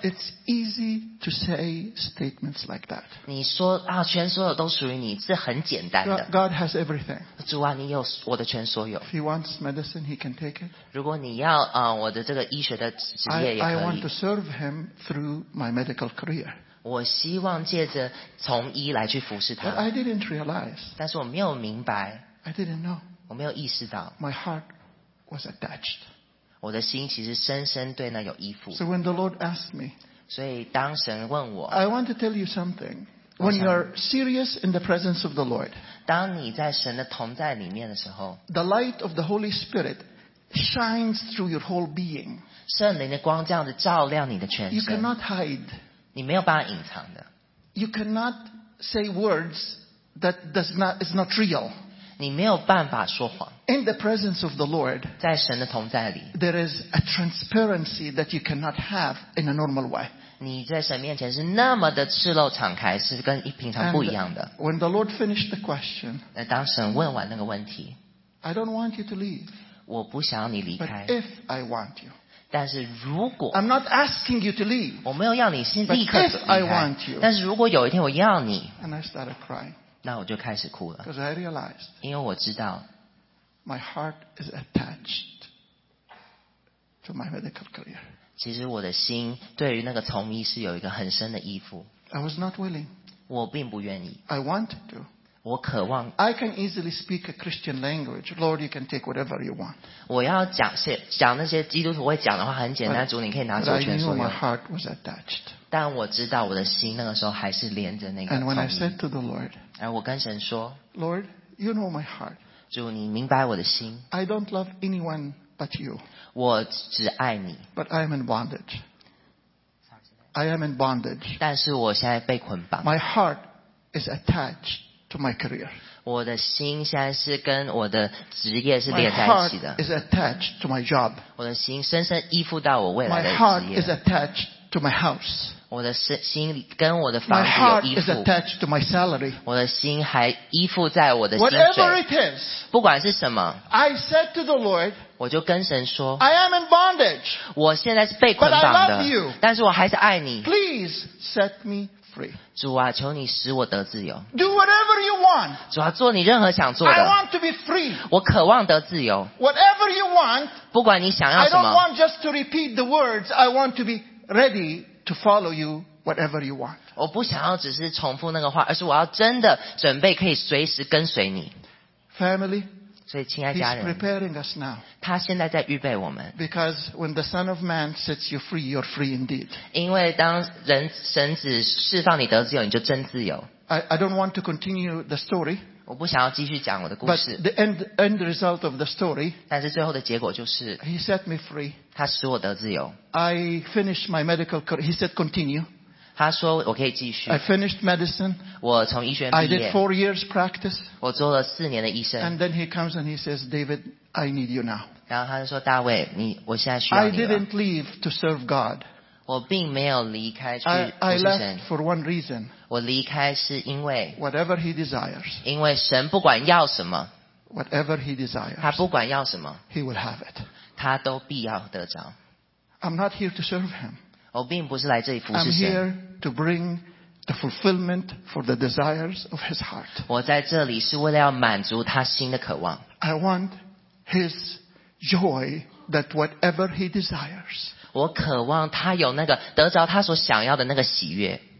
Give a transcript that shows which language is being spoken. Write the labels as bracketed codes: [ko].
[en] It's easy to say statements like that. [zh] 你说啊，全所有都属于你，是很简单的。 [en] God has everything. [zh] 主啊，你有我的全所有。 [en] If he wants medicine, he can take it. [zh] 如果你要啊，我的这个医学的职业也可以。 [en] I want to serve him through my medical career. [zh] 我希望借着从医来去服侍他。 [en] But I didn't realize. [zh] 但是我没有明白。 [en] I didn't know. [zh] 我没有意识到。 [en] My heart was attached. [zh] 我的心其实深深对那有依附。 [en] So when the Lord asked me, [zh] 所以当神问我 [en] ，I want to tell you something. When you're serious in the presence of the Lord, [zh] 当你在神的同在里面的时候 [en] ，the light of the Holy Spirit shines through your whole being. [zh] 圣灵的光这样子照亮你的全身。 [en] You cannot hide. [zh] 你没有办法隐藏的。 [en] You cannot say words that does not is not real. [zh] 你没有办法说谎。 [en] In the presence of the Lord, [zh] 在神的同在里 [en] ，there is a transparency that you cannot have in a normal way. [zh] 你在神面前是那么的赤露敞开，是跟平常不一样的。 [en] And、when the Lord finished the question, [zh] 当神问完那个问题 [en] ，I don't want you to leave. [zh] 我不想你离开。 [en] But if I want you, [zh] 但是如果 [en] ，I'm not asking you to leave. [zh] 我没有要你先立刻离开。 [en] But if I want you, [zh] 但是如果有一天我要你 [en] ，and I started crying. [zh] 那我就开始哭了。 [en] Because I realized, [zh] 因为我知道 [en] my heart is attached to my medical career. [zh] 其实我的心对于那个从医是有一个很深的依附。 [en] I was not willing. [zh] 我并不愿意。 [en] I wanted to. [zh] 我渴望。 [en] I can easily speak a Christian language. Lord, you can take whatever you want. [zh] 我要 讲那些基督徒会讲的话很简单，主你可以拿走全所有。 [en] But I knew my heart was attached. [zh] 但我知道我的心那个时候还是连着那个 [en] And when I said to the Lord, [zh] 而我跟神说 [en] ，Lord, you know my heart. [zh] 主，你明白我的心。 [en] I don't love anyone but you. [zh] 我只爱你。 [en] But I am in bondage. I am in bondage. [zh] 但是我现在被捆绑。 [en] My heart is attached to my career. [zh] 我的心现在是跟我的职业是连在一起的。 [en] My heart is attached to my job. [zh] 我的心深深依附到我未来的职业。 [en] My heart is attached to my house. [zh] 我的心跟我的房子有依附。 [en] My heart is attached to my salary. [zh] 我的心还依附在我的薪水。 [en] Whatever it is, [zh] 不管是什么。 [en] I said to the Lord, [zh] 我就跟神说。 [en] I am in bondage. [zh] 我现在是被捆绑的。 [en] But I love you. [zh] 但是我还是爱你。 [en] Please set me free. [zh] 主啊，求你使我得自由。 [en] Do whatever you want. [zh] 主啊，做你任何想做的。 [en] I want to be free. [zh] 我渴望得自由。 [en] Whatever you want. [zh] 不管你想要什么。 [en] I don't want just to repeat the words. I want to be ready. To follow you, whatever you want. [zh] 我不想要只是重复那个话，而是我要真的准备可以随时跟随你。 [en] Family, [zh] 所以亲爱家人 [en] ，He's preparing us now. [zh] 他现在在预备我们。 [en] Because when the Son of Man sets you free, you're free indeed. [zh] 因为当神子释放你得自由，你就真自由。 [en] I don't want to continue the story. [zh] 我不想要继续讲我的故事。 [en] But the end result of the story. [zh] 但是最后的结果就是 [en] ，He set me free. [zh] 他使我得自由。 [en] I finished my medical career. He said, continue. [zh] 他说我可以继续。 [en] I finished medicine. [zh] 我从医学院毕业。 [en] I did 4 years practice. [zh] 我做了四年的医生。 [en] And then he comes and he says, David, I need you now. [zh] 然后他就说大卫，你我现在需要你了。 [en] I didn't leave to serve God. [zh] 我并没有离开去服侍神。 [en] I left for one reason. [zh] 我离开是因为 [en] whatever he desires. [zh] 因为神不管要什么 [en] whatever he desires. [zh] 他不管要什么 [en] he will have it. [zh] 他都必要得着。 [en] I'm not here to serve him. [zh] 我并不是来这里服侍神。 [en] I'm here to bring the fulfillment for the desires of his heart. [zh] 我在这里是为了要满足他心的渴望。 [en] I want his joy that whatever he desires. [zh] 我渴望他有那个得着他所想要的那个喜悦。